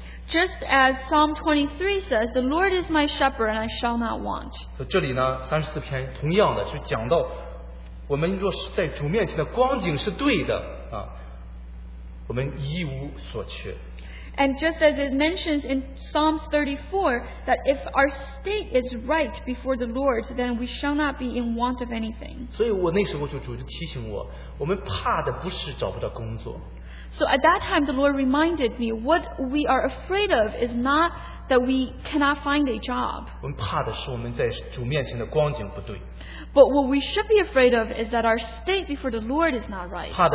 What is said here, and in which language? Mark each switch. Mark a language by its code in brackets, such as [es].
[en] Just as Psalm 23 says The Lord is my shepherd and I shall not want [zh] 这里呢 34篇 同样的就讲到我们若是在主面前的光景是对的我们一无所缺 [en] And just as it mentions in Psalm 34 that if our state is right before the Lord, then we shall not be in want of anything. [zh] 所以我那时候就主就提醒我，我们怕的不是找不到工作。 [en] So at that time, the Lord reminded me, what we are afraid of is not that we cannot find a job. [zh] 我们怕的是我们在主面前的光景不对。 [en] But what we should be afraid of is that our state before the Lord is not right.